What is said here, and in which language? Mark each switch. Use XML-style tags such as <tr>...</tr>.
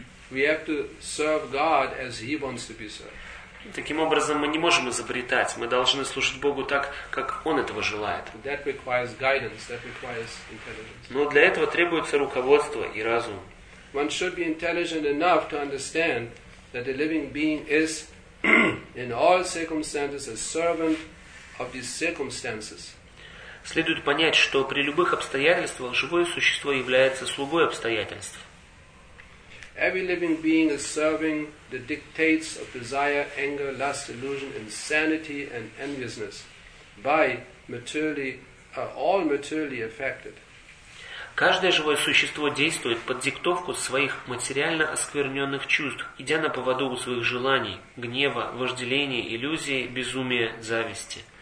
<en>We have to serve God as He wants to be served.</en> <ru>Таким образом, мы не можем изобретать. Мы должны служить Богу так, как Он этого желает.</ru> <en>That requires guidance. That requires intelligence.</en> <ru>Но для этого требуется руководство и разум.</ru> <en>One should be intelligent enough to understand that a living being is, in all circumstances, a servant of these circumstances.</en> <ru>Следует понять, что при любых обстоятельствах живое существо является слугой обстоятельств.</ru> <en>Every living being is serving the dictates of desire, anger, lust, illusion, insanity, and enviousness by materially, all materially affected.</en> <ru>Каждое живое существо действует под диктовку своих материально оскверненных чувств, идя на поводу у своих желаний, гнева, вожделения, иллюзии, безумия, зависти.</ru>